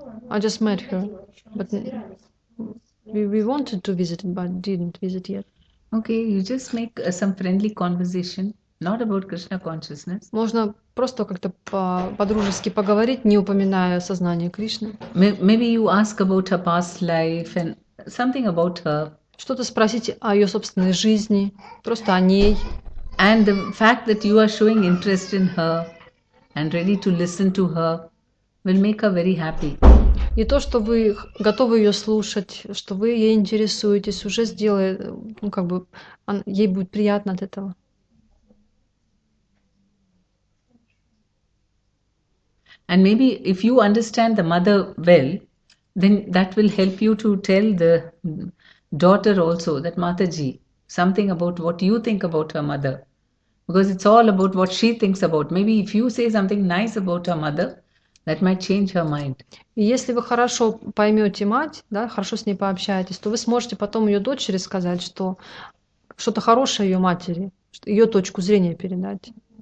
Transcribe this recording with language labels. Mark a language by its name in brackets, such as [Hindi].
[English] I just met her, but we wanted to visit, but didn't visit yet. Okay, you just make some friendly conversation, not about Krishna consciousness. [Russian] Можно просто как-то по-дружески поговорить, не упоминая сознание Кришны. [English] Maybe you ask about her past life and something about her. [Russian] Что-то спросить о ее собственной жизни, просто о ней. [English] And the fact that you are showing interest in her and ready to listen to her will make her very happy. [Russian] И то, что вы готовы ее слушать, что вы ей интересуетесь, уже сделает, ну как бы, ей будет приятно от этого. [English] And maybe if you understand the mother well, then that will help you to tell the daughter also, that Mataji, something about what you think about her mother. Because it's all about what she thinks about. Maybe if you say something nice about her mother, that might change her mind. [Russian] И если вы хорошо поймете мать, да, хорошо с ней пообщаетесь, то вы сможете потом ее дочери сказать, что что-то хорошее ее матери, ее точку зрения передать.